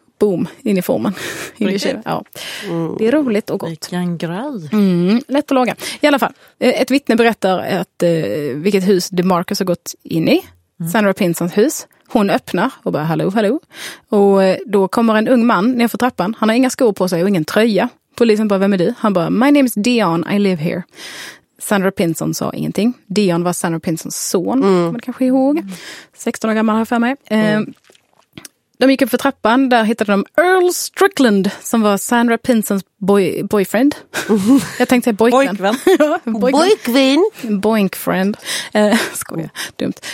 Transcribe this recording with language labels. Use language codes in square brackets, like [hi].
[sv] Boom, in i formen. Ja. Det är roligt och gott. Vilken grej. Mm, lätt att laga. I alla fall, ett vittne berättar att vilket hus DeMarcus har gått in i. Mm. Sandra Pinsons hus. Hon öppnar och bara, hallå, hallå. Och då kommer en ung man nerför trappan. Han har inga skor på sig och ingen tröja. Polisen bara, vem är du? Han bara, [en] my name is Dion, I live here. [sv] Sandra Pinson sa ingenting. Dion var Sandra Pinsons son, man kanske ihåg. 16 år gammal har jag för mig. De gick upp för trappan, där hittade de Earl Strickland, som var Sandra Pinsons boyfriend. Jag tänkte säga boykvän. Boykvän? Boinkfriend. Skoja, dumt.